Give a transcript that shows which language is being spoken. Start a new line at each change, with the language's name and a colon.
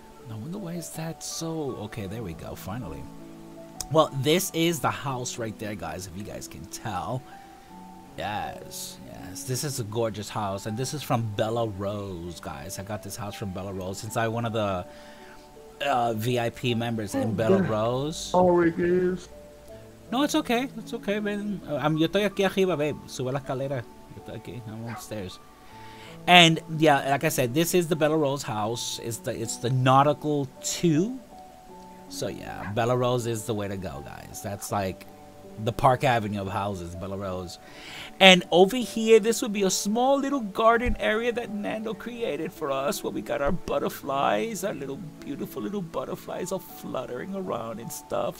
English: I wonder why is that so... Okay, there we go, finally. Well, this is the house right there, guys, if you guys can tell. Yes, this is a gorgeous house, and this is from Bella Rose, guys. I got this house from Bella Rose, since I'm one of the VIP members in Bella Rose. Sorry, guys. No, it's okay, man.
Spanish: Yo estoy aquí arriba, babe. Sube la escalera. Yo estoy aquí,
English: I'm upstairs. And, yeah, like I said, this is the Bella Rose house. It's the Nautical 2. So, yeah, Bella Rose is the way to go, guys. That's like... the Park Avenue of houses, Bella Rose. And over here, this would be a small little garden area that Nando created for us, where we got our butterflies, our little beautiful little butterflies all fluttering around and stuff.